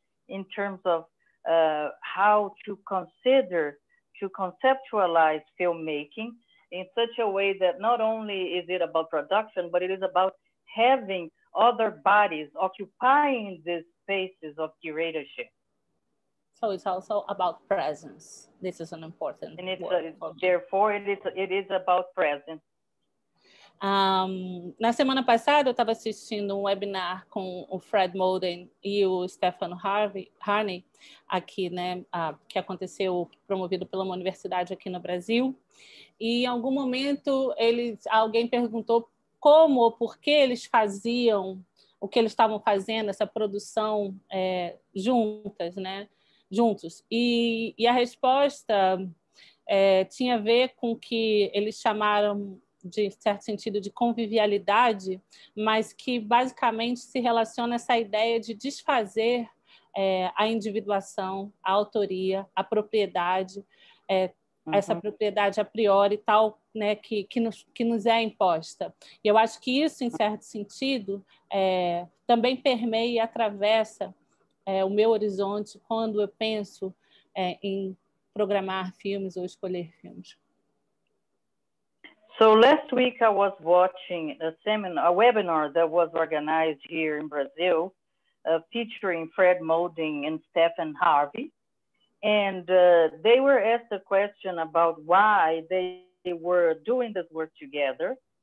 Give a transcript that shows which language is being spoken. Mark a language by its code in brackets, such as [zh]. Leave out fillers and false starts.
[en] in terms of how to consider, to conceptualize filmmaking in such a way that not only is it about production, but it is about having other bodies occupying these spaces of curatorship. So it's also about presence. This is an important and it's word. Therefore, it is about presence. [pt] Na semana passada, eu estava assistindo um webinar com o Fred Molden e o Stefano Harney, aqui, né, que aconteceu, promovido pela uma universidade aqui no Brasil. E, em algum momento, alguém perguntou como ou por que eles faziam o que eles estavam fazendo, essa produção juntas, né, juntos. E a resposta tinha a ver com que eles chamaram de certo sentido de convivialidade, mas que basicamente se relaciona essa ideia de desfazer a individuação, a autoria, a propriedade, essa propriedade a priori tal, né, que nos é imposta. E eu acho que isso, em certo sentido, também permeia e atravessa o meu horizonte quando eu penso em programar filmes ou escolher filmes. [en] So last week I was watching a webinar that was organized here in Brazil featuring Fred Molding and Stephen Harvey. And they were asked a question about why they were doing this work together.